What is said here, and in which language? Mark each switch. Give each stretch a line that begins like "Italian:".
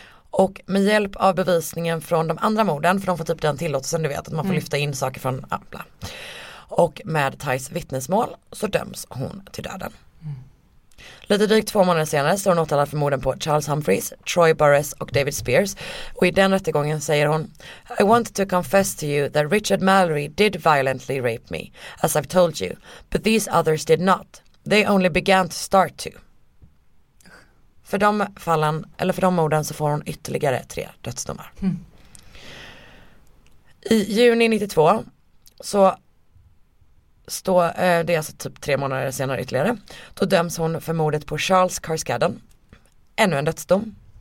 Swedish: Och med hjälp av bevisningen från de andra morden, för de får typ den tillåtelsen, du vet, att man får lyfta in saker från Ampla. Och med Tais vittnesmål så döms hon till döden. Mm. Lite drygt 2 månader senare står hon åtalad för morden på Charles Humphreys, Troy Burress och David Spears. Och i den rättegången säger hon:
English: I want to confess to you that Richard Mallory did violently rape me, as I've told you. But these others did not. They only began to start to.
Swedish: För de fallen, eller för de morden, så får hon ytterligare 3 dödsdomar. Mm. I juni 92 så står det, alltså typ 3 månader senare ytterligare, då döms hon för mordet på Charles Carskadden. Ännu en dödsdom.